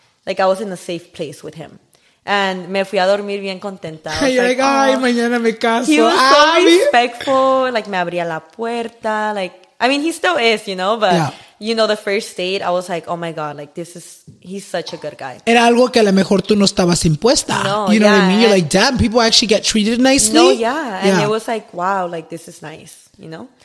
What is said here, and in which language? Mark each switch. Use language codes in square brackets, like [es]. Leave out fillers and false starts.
[en] Like I was in a safe place with him. [es] And me fui a dormir bien contenta. Y yo like, ay, oh. Mañana me caso. [en] He was so respectful. Like, me abría la puerta. Like, I mean, he still is, you know. But, yeah. You know, the first date, I was like, oh, my God. Like, this is, he's such a good guy. [es] Era algo que a lo mejor tú no estabas impuesta. No, [en] you know yeah. what I mean? You're like, damn, people actually get treated nicely. No, yeah. And yeah. it was like, wow, like, this is nice, you know.